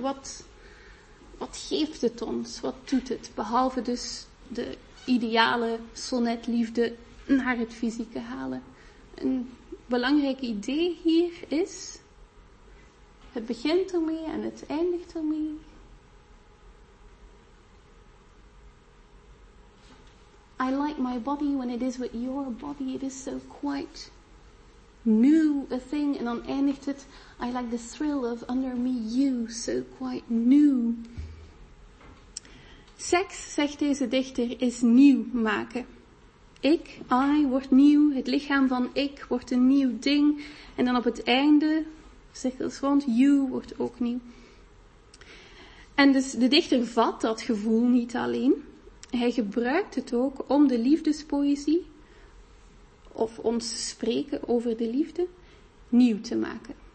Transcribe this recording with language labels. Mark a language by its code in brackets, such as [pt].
[nl] Wat geeft het ons? Wat doet het? Behalve dus de ideale sonnetliefde naar het fysieke halen. Een belangrijk idee hier is, het begint ermee en het eindigt ermee. [en] I like my body when it is with your body. It is so quite new a thing. [nl] En dan eindigt het. [en] I like the thrill of under me you. So quite new. [nl] Seks, zegt deze dichter, is nieuw maken. Ik, I, wordt nieuw. Het lichaam van ik wordt een nieuw ding. En dan op het einde, zegt het rond, you wordt ook nieuw. En dus de dichter vat dat gevoel niet alleen. Hij gebruikt het ook om de liefdespoëzie, of ons spreken over de liefde, nieuw te maken.